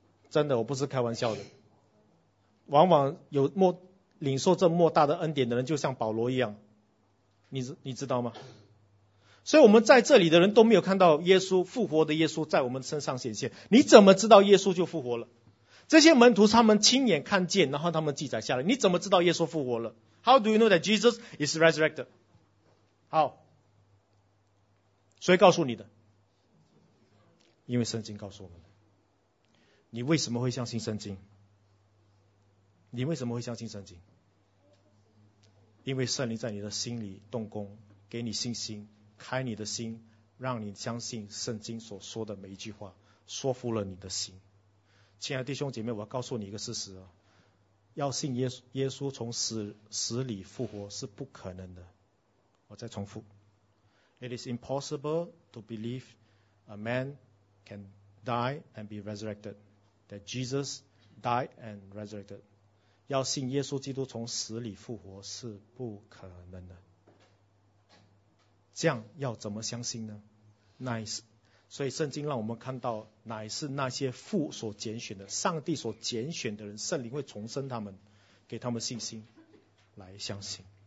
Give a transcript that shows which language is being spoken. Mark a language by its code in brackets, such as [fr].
[zh] 真的，我不是开玩笑的。往往有莫领受这莫大的恩典的人，就像保罗一样，你知道吗？所以我们在这里的人都没有看到耶稣复活的耶稣在我们身上显现，你怎么知道耶稣就复活了？这些门徒他们亲眼看见，然后他们记载下来，你怎么知道耶稣复活了？ [en] How do you know that Jesus is resurrected? [zh] 好，谁告诉你的？因为圣经告诉我们。你为什么会相信圣经？你为什么会相信圣经？因为圣灵在你的心里动工，给你信心，开你的心，让你相信圣经所说的每一句话，说服了你的心。亲爱的弟兄姐妹，我要告诉你一个事实啊，要信耶稣从死里复活是不可能的。我再重复 [en] ，It is impossible to believe a man can die and be resurrected, that Jesus died and resurrected. [zh] 要信耶稣基督从死里复活是不可能的，这样要怎么相信呢？乃是，所以圣经让我们看到，乃是那些父所拣选的，上帝所拣选的人，圣灵会重生他们，给他们信心来相信。